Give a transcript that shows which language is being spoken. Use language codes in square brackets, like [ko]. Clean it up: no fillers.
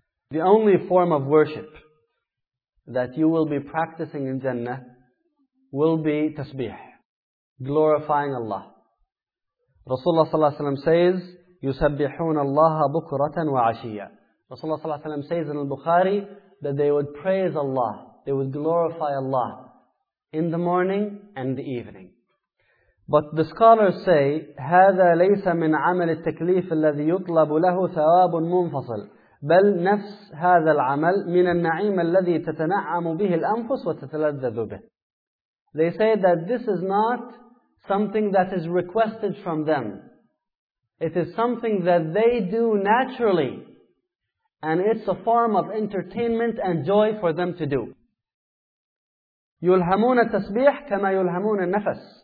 [en] The only form of worship that you will be practicing in Jannah will be tasbih, glorifying Allah. Rasulullah sallallahu alaihi wasallam says, [ar] يُسَبِّحُونَ اللَّهَ بُكْرَةً وَعَشِيًّا. [en] Rasulullah sallallahu alaihi wasallam says in al-Bukhari that they would praise Allah, they would glorify Allah in the morning and the evening. But the scholars say, [ar] هَذَا لَيْسَ مِنْ عَمَلِ التَّكْلِيفِ الَّذِي يُطْلَبُ لَهُ ثَوَابٌ مُنْفَصِلٌ بَلْ نَفْسْ هَذَا الْعَمَلِ مِنَ النَّعِيمَ الَّذِي تَتَنَعَّمُ بِهِ الْأَنْفُسُ وَتَتَلَذَّذُ بِهِ. [en] They say that this is not something that is requested from them. It is something that they do naturally. And it's a form of entertainment and joy for them to do. [ar] يُلْهَمُونَ التَّسْبِيحَ كَمَا يُلْهَمُونَ النَّفَسَ.